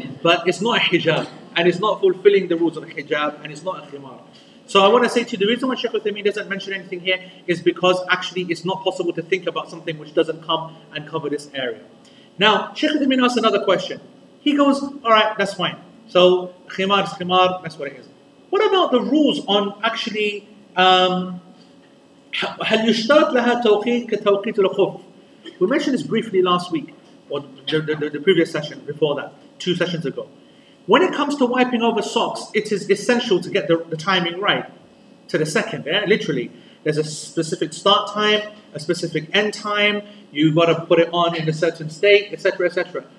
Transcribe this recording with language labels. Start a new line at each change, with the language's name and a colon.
English: But it's not a hijab. And it's not fulfilling the rules of a hijab, and it's not a khimar. So I want to say to you, the reason why Sheikh Uthaymeen doesn't mention anything here is because actually it's not possible to think about something which doesn't come and cover this area. Now, Sheikh Uthaymeen asks another question. He goes, all right, that's fine. So khimar is khimar, that's what it is. What about the rules on actually
Arabic: هل يشترط لها توقيت كتوقيت الخف?
English: We mentioned this briefly last week, or the previous session before that, 2 sessions ago. When it comes to wiping over socks, it is essential to get the timing right to the second, yeah? Literally. There's a specific start time, a specific end time, you've got to put it on in a certain state, etc., etc.